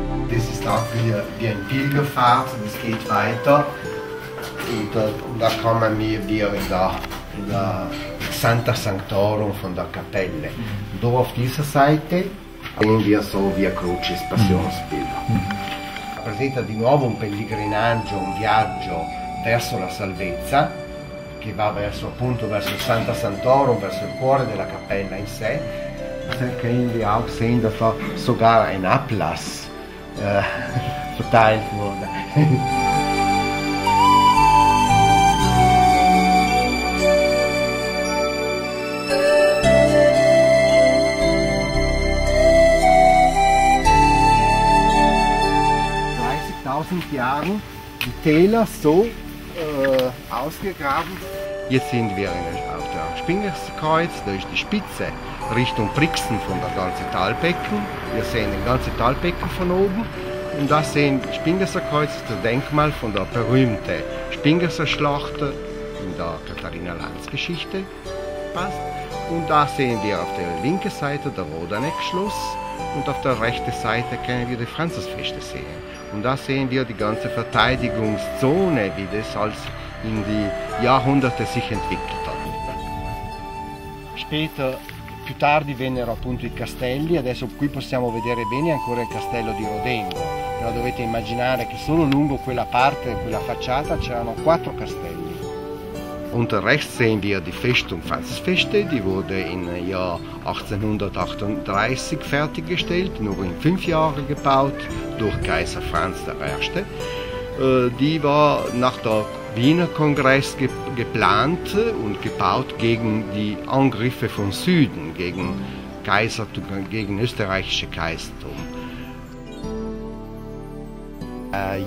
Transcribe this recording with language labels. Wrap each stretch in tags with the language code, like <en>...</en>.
<de>Das ist auch wie ein Pilgerpfad, das geht weiter. Und da kommen wir in der Santa Sanctorum von der Kapelle. Und da auf dieser Seite sehen wir so Via Crucis Passionsbilder.</de> <it>Rappresenta di nuovo un pellegrinaggio, un viaggio verso la salvezza, che va verso appunto verso il Santa Sanctorum, verso il cuore della Kapelle in sé.</it> <de>Können wir auch sehen, da war sogar ein Atlas verteilt wurde. Die Täler so ausgegraben. Jetzt sind wir auf der Spingerskreuz, da ist die Spitze Richtung Brixen von der ganzen Talbecken. Wir sehen den ganzen Talbecken von oben. Und da sehen wir Spingerskreuz, das Denkmal von der berühmten Spingerser Schlacht in der Katharina Lanz Geschichte. Und da sehen wir auf der linken Seite der Rodaneck Schloss, und auf der rechten Seite können wir die Franzisfeste sehen. Und da sehen wir die ganze Verteidigungszone, wie das als in die Jahrhunderte sich entwickelt hat.</de> <it>Später, più tardi vennero appunto i castelli, adesso qui possiamo vedere bene ancora il castello di Rodengo. Però dovete immaginare che solo lungo quella parte, quella facciata, c'erano 4 castelli.</it> <de>Unter rechts sehen wir die Festung Franzisfeste, die wurde im Jahr 1838 fertiggestellt, nur in 5 Jahren gebaut, durch Kaiser Franz I. Die war nach dem Wiener Kongress geplant und gebaut gegen die Angriffe von Süden, gegen österreichische Kaisertum.</de>